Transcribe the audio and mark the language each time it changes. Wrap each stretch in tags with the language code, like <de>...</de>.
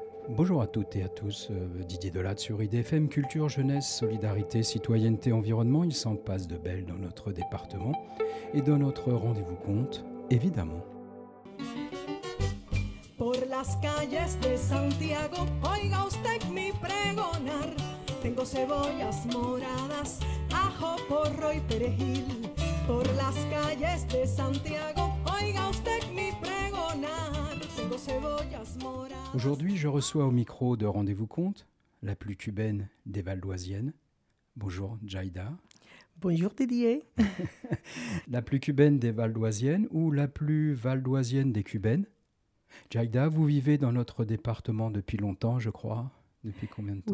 <fr>Bonjour à toutes et à tous, Didier Delatte sur IDFM, culture, jeunesse, solidarité, citoyenneté, environnement, il s'en passe de belles dans notre département et dans notre rendez-vous compte, évidemment.</fr> <es>Por las calles de Santiago, oiga usted mi pregonar, tengo cebollas moradas, ajo, porro y perejil. Por las calles de Santiago, oiga usted mi pregonar, tengo cebollas moradas.</es> <fr>Aujourd'hui, je reçois au micro de Rendez-vous Compte la plus cubaine des Valdoisiennes. Bonjour, Jaïda. Bonjour, Didier. La plus cubaine des Valdoisiennes ou la plus valdoisienne des cubaines. Jaïda, vous vivez dans notre département depuis longtemps, je crois. Depuis combien de temps?</fr>